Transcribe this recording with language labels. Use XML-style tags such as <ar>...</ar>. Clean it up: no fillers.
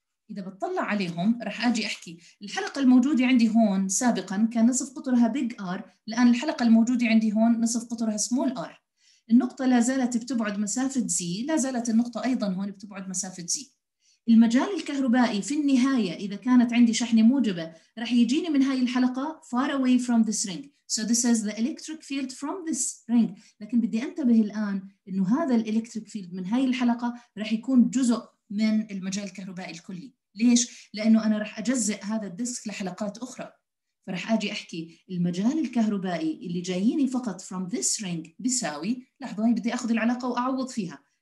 <ar>إذا بتطلع عليهم رح أجي أحكي الحلقة الموجودة عندي هون سابقاً كان نصف قطرها big R، الآن الحلقة الموجودة عندي هون نصف قطرها small R. النقطة لا زالت بتبعد مسافة Z، لا زالت النقطة أيضاً هون بتبعد مسافة Z. المجال الكهربائي في النهاية إذا كانت عندي شحنة موجبة رح يجيني من هاي الحلقة</ar> <en>far away from this ring. So this is the electric field from this ring.</en> <ar>لكن بدي أنتبه الآن إنه هذا الإلكتريك فيلد من هاي الحلقة رح يكون جزء من المجال الكهربائي الكلي. ليش؟ لأنه أنا رح أجزئ هذا الديسك لحلقات أخرى. فرح أجي أحكي المجال الكهربائي اللي جاييني فقط</ar> <en>from this ring</en> <ar>بيساوي، لحظة هاي بدي أخذ العلاقة وأعوض فيها.</ar>